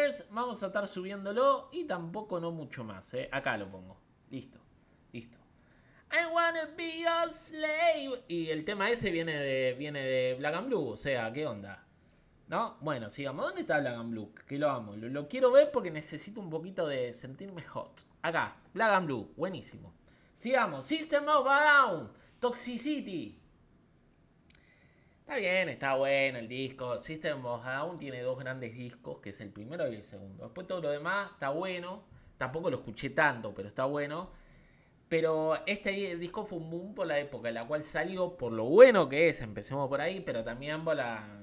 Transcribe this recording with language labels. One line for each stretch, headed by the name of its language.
Spanish: Vamos a estar subiéndolo. Y tampoco no mucho más, ¿eh? Acá lo pongo. Listo.
English: I wanna be a slave.
Spanish: Y el tema ese viene de Black and Blue. O sea, ¿qué onda? ¿No? Bueno, sigamos. ¿Dónde está Black and Blue? Que lo amo. Lo quiero ver porque necesito un poquito de sentirme hot. Acá, Black and Blue. Buenísimo. Sigamos, System of a Down, Toxicity. Está bien, está bueno el disco. System of a Down tiene dos grandes discos, que es el primero y el segundo. Después todo lo demás está bueno. Tampoco lo escuché tanto, pero está bueno. Pero este disco fue un boom por la época en la cual salió, por lo bueno que es, empecemos por ahí, pero también por la...